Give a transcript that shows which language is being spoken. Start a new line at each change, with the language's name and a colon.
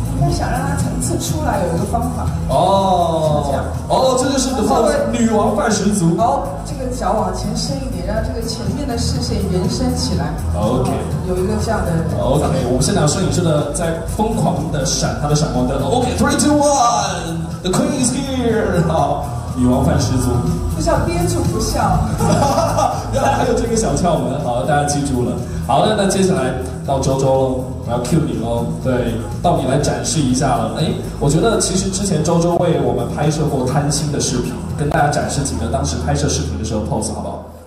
Chinese: 但想让它层次出来，有一个方法。哦，是这样。哦，这就是你的女王范十足。哦，这个脚往前伸一点，让这个前面的视线延伸起来。 OK。有一个这样的。 OK， 我们现场摄影师的在疯狂的闪他的闪光灯。
English: OK， three, two, one, the queen is here。
Chinese: 好，女王范十足。就像憋住不笑。原来还有这个小窍门，好，大家记住了。好的，那接下来到周周喽，我要 cue 你喽，对，到你来展示一下了。哎，我觉得其实之前周周为我们拍摄过贪心的视频，跟大家展示几个当时拍摄视频的时候 pose 好不好？